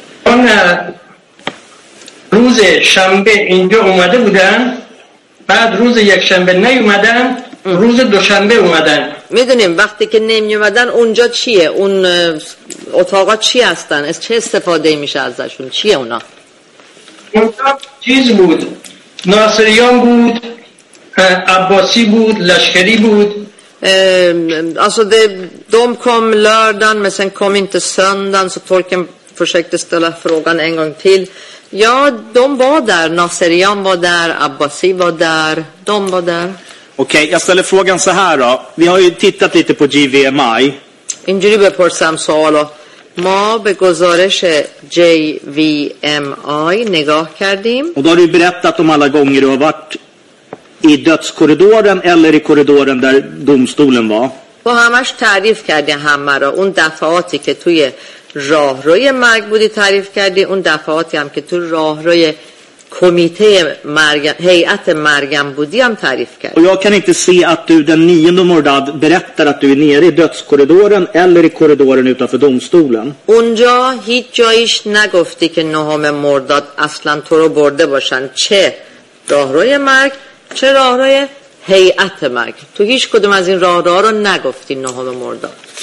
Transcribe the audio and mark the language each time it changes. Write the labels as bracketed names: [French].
[Persian] on روز شنبه اینجا اومده بودن بعد روز یکشنبه نیومدن روز دوشنبه اومدن میدونیم وقتی که نمیومدن اونجا چیه اون اتاقا چی هستن از چه استفاده میشه ازشون چیه اونا اونجا چیز بود ناصریان بود عباسی بود لشکری بود [Swedish] alltså de kom lördagen men sen kom inte söndagen så tolken försökte ställa frågan en gång till. Ja, de var där. Nasserian var där, Abbasi var där, de var där. Okej, okay, jag ställer frågan så här då. Vi har ju tittat lite på JVMI. [Persian] اینجوری بپرسم سوالو. ما به گزارش JVMI نگاه کردیم. [Swedish] Och då har du berättat om alla gånger du har varit i dödskorridoren eller i korridoren där domstolen var. [Persian] و همش تعریف کردی همه را. اون دفعاتی که توی راه روی مرگ بودی تعریف کردی اون دفعاتی هم که تو راه روی کمیته مرگ هیئت مرگم بودی هم تعریف کردی [Swedish] و jag kan inte se att du den 9 mordad berättar att du är nere i dödskorridoren eller i korridoren utanför domstolen. [Persian] اونجا هیچ جایش نگفتی که 9 مرداد اصلا تو رو برده باشن چه راه روی مرگ چه راه روی هیئت مرگ تو هیچ کدوم از این راه راه رو نگفتی 9 مرداد.